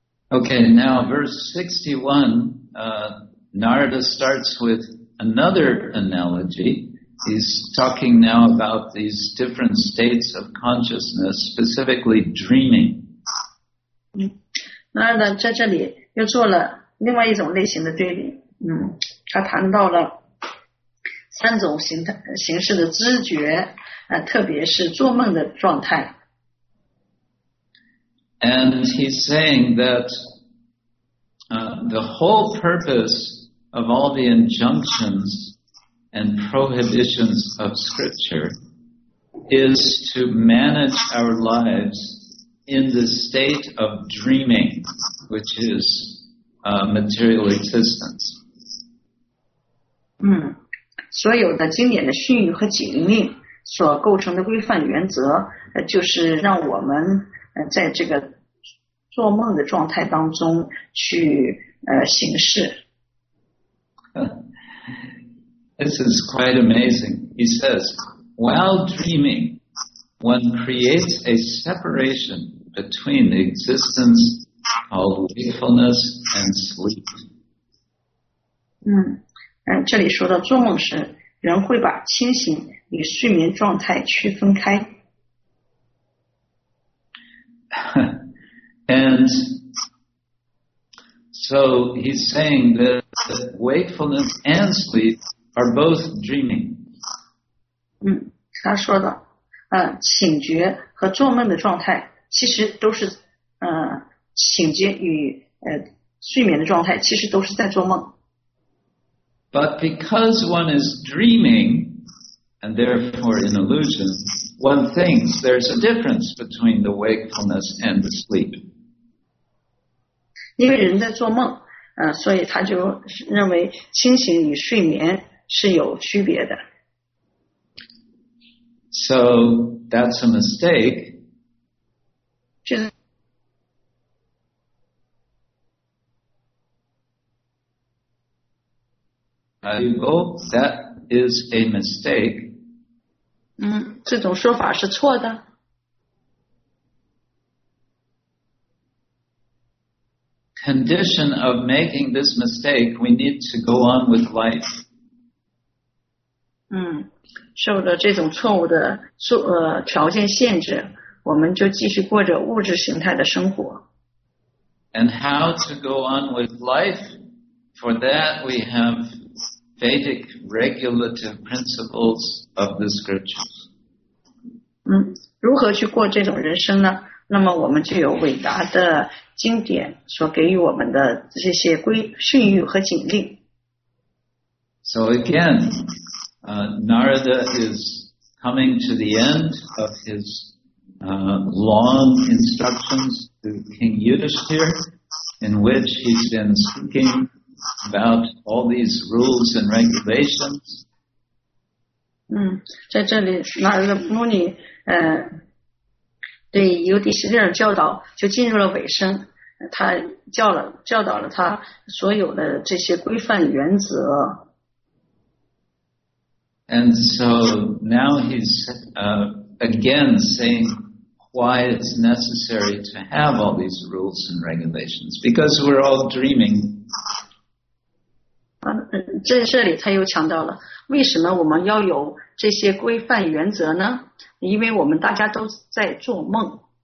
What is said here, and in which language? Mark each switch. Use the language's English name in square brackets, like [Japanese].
[English] Okay, now verse 61, Narada starts with another analogy. He's talking now about these different states of consciousness, specifically dreaming. [Chinese] Narada 在这里又做了另外一种类型的对比。他谈到了三种形式的知觉，特别是做梦的状态。 [English] And he's saying that the whole purpose of all the injunctions and prohibitions of scripture is to manage our lives in the state of dreaming, which is material existence. [Chinese] 所有的经典的训谕和警令所构成的规范原则，就是让我们在这个做梦的状态当中去行事。 [English] This is quite amazing. He says, while dreaming, one creates a separation between the existence called wakefulness and sleep. [Chinese] 这里说到做梦时，人会把清醒与睡眠状态区分开。 [English] And so he's saying that wakefulness and sleep are both dreaming. [Chinese] 他说的，醒觉和做梦的状态其实都是，醒觉与睡眠的状态其实都是在做梦。 [English] But because one is dreaming, and therefore in illusion, one thinks there's a difference between the wakefulness and the sleep. [Chinese] 因为人在做梦，所以他就认为清醒与睡眠是有区别的。 [English] So that's a mistake. [Chinese] 就是 [English] Hugo, that is a mistake. [Chinese] 这种说法是错的。 [English] Condition of making this mistake, we need to go on with life. [Chinese] 受了这种错误的条件限制，我们就继续过着物质形态的生活。 [English] And how to go on with life? For that we have Vedic regulative principles of the scriptures. [Chinese] 如何去过这种人生呢？那么我们就有伟大的经典所给予我们的这些训谕和警令。 [English] So again, Narada is coming to the end of his long instructions to King Yudhishthira, in which he's been speaking about all these rules and regulations. [Chinese] 在这里那个穆尼对尤迪西尔教导就进入了尾声，他教导了他所有的这些规范原则。 [English] And so now he's again saying why it's necessary to have all these rules and regulations, because we're all dreaming. [Chinese] 在这里他又强调了为什么我们要有这些规范原则呢？因为我们大家都在做梦。